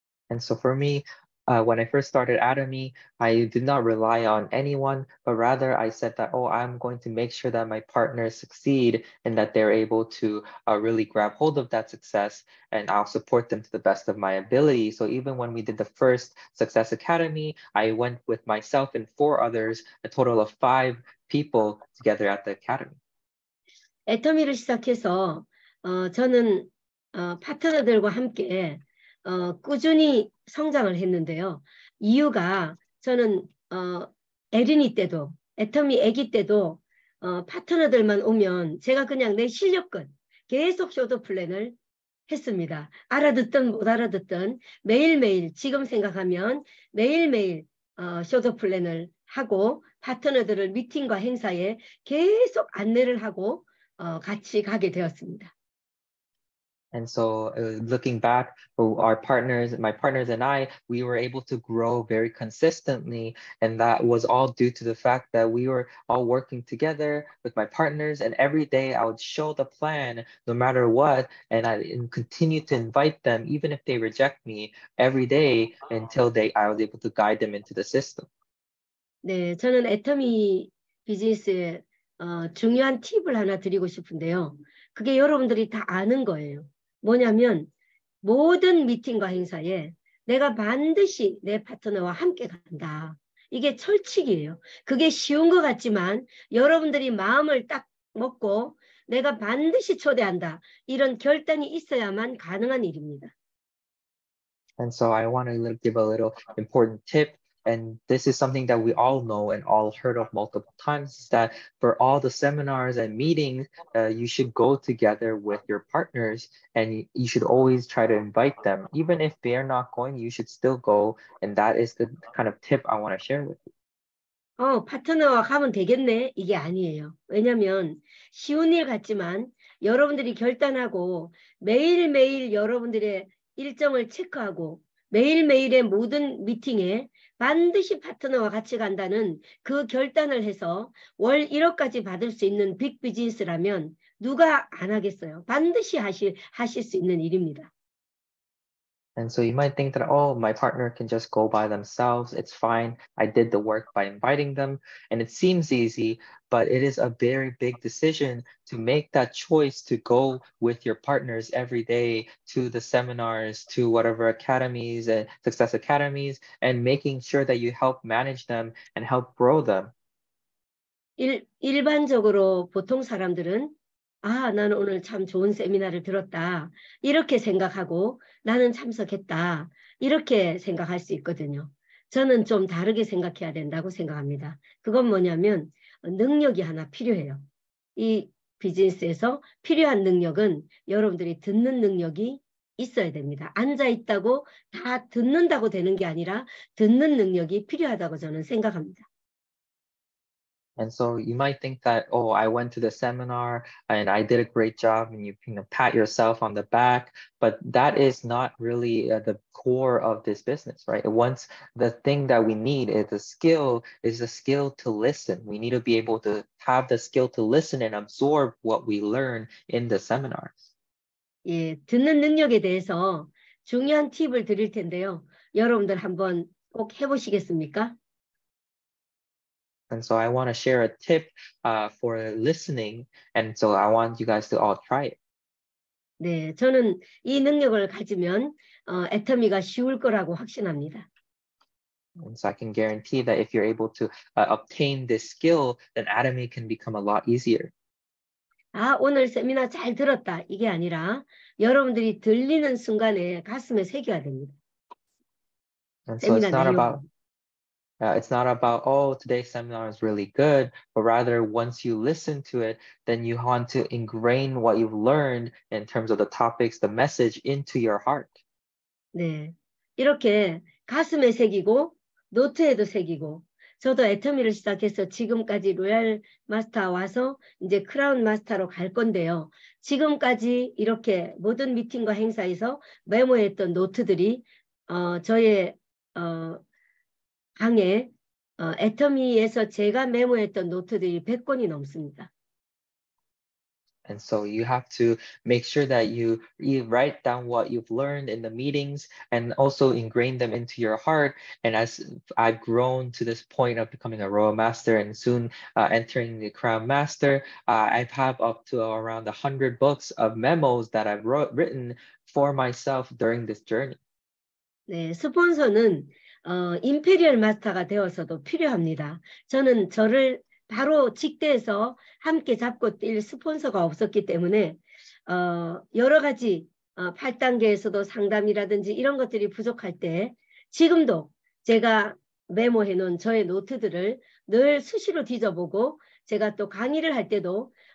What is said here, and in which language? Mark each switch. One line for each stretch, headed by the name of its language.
English: And so for me, when I first started Atomy, I did not rely on anyone, but rather I said that, oh, I'm going to make sure that my partners succeed and that they're able to really grab hold of that success and I'll support them to the best of my ability. So even when we did the first Success Academy, I went with myself and four others, a total of 5 people together at the Academy.
Korean: 애터미를 시작해서 저는 파트너들과 함께 꾸준히 성장을 했는데요. 이유가 저는 에린이 때도 애터미 아기 때도 파트너들만 오면 제가 그냥 내 실력껏 계속 쇼도 플랜을 했습니다. 알아듣든 못 알아듣든 매일매일 지금 생각하면 매일매일 쇼도 플랜을 하고 파트너들을 미팅과 행사에 계속 안내를 하고 같이 가게 되었습니다.
English: And so looking back, my partners and I, we were able to grow very consistently. And that was all due to the fact that we were all working together with my partners. And every day I would show the plan no matter what. And I continue to invite them, even if they reject me every day until I was able to guide them into the system.
Korean: 네, 저는 애터미 비즈니스에 중요한 팁을 하나 드리고 싶은데요. 그게 여러분들이 다 아는 거예요. 뭐냐면 모든 미팅과 행사에 내가 반드시 내 파트너와 함께 간다. 이게 철칙이에요. 그게 쉬운 것 같지만 여러분들이 마음을 딱 먹고 내가 반드시 초대한다. 이런 결단이 있어야만 가능한 일입니다.
English: And so I want to give a little important tip. And this is something that we all know and all heard of multiple times, that for all the seminars and meetings, you should go together with your partners and you should always try to invite them. Even if they're not going, you should still go. And that is the kind of tip I want to share with you.
Korean: 파트너와 가면 되겠네. 이게 아니에요. 왜냐면 쉬운 일 같지만 여러분들이 결단하고 매일매일 여러분들의 일정을 체크하고 매일매일의 모든 미팅에 반드시 파트너와 같이 간다는 그 결단을 해서 월 1억까지 받을 수 있는 빅 비즈니스라면 누가 안 하겠어요? 반드시 하실 수 있는 일입니다.
English: And so you might think that, oh, my partner can just go by themselves. It's fine. I did the work by inviting them. And it seems easy, but it is a very big decision to make that choice to go with your partners every day to the seminars, to whatever academies and success academies, and making sure that you help manage them and help grow them.
Korean: 일반적으로 보통 사람들은 아, 나는 오늘 참 좋은 세미나를 들었다. 이렇게 생각하고 나는 참석했다. 이렇게 생각할 수 있거든요. 저는 좀 다르게 생각해야 된다고 생각합니다. 그건 뭐냐면 능력이 하나 필요해요. 이 비즈니스에서 필요한 능력은 여러분들이 듣는 능력이 있어야 됩니다. 앉아있다고 다 듣는다고 되는 게 아니라 듣는 능력이 필요하다고 저는 생각합니다.
English: And so you might think that, oh, I went to the seminar and I did a great job, and you can pat yourself on the back, but that is not really the core of this business, right? Once the thing that we need is a skill, is a skill to listen. We need to be able to have the skill to listen and absorb what we learn in the seminars.
Korean: 예, 듣는 능력에 대해서 중요한 팁을 드릴 텐데요. 여러분들 한번 꼭 해보시겠습니까?
English: And so I want to share a tip for listening. And so I want you guys to all try it.
Korean: 네, 저는 이 능력을 가지면 애터미가 쉬울 거라고 확신합니다.
English: And so I can guarantee that if you're able to obtain this skill, then Atomy can become a lot easier.
Korean: 아, 오늘 세미나 잘 들었다. 이게 아니라 여러분들이 들리는 순간에 가슴에 새겨야 됩니다.
English: And so it's not about... It's not about, oh, today's seminar is really good, but rather once you listen to it, then you want to ingrain what you've learned in terms of the topics, the message into your heart.
Korean: 네, 이렇게 가슴에 새기고 노트에도 새기고 저도 애터미를 시작해서 지금까지 로얄 마스터 와서 이제 크라운 마스터로 갈 건데요. 지금까지 이렇게 모든 미팅과 행사에서 메모했던 노트들이 저의 강의 애터미에서 제가 메모했던 노트들이 100권이 넘습니다.
English: And so you have to make sure that you write down what you've learned in the meetings and also ingrain them into your heart. And as I've grown to this point of becoming a Royal Master and soon entering the Crown Master, I've have up to around 100 books of memos that I've written for myself during this journey.
Korean: 네, 스폰서는 임페리얼 마스터가 되어서도 필요합니다. 저는 저를 바로 직대에서 함께 잡고 뛸 스폰서가 없었기 때문에 여러 가지 8단계에서도 상담이라든지 이런 것들이 부족할 때 지금도 제가 메모해놓은 저의 노트들을 늘 수시로 뒤져보고 제가 또 강의를 할 때도